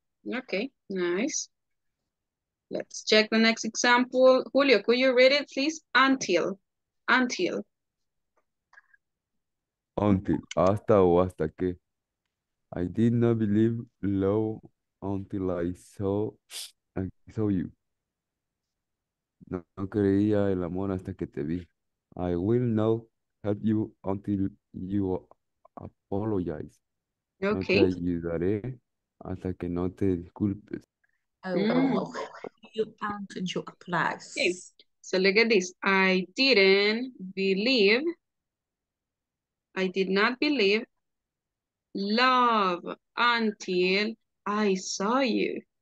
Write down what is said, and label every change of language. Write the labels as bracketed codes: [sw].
[en] Okay. Nice. Let's check the next example. Julio, could you read it, please? Until. Until. [es] Until. Hasta o hasta que. [en] I did not believe love until I saw you. [es] No creía el amor hasta que te vi. [en] I will not help you until you apologize. Okay. [es] No te ayudaré hasta que no te disculpes. [en] You answered your class. Okay. So look at this. I did not believe love until I saw you.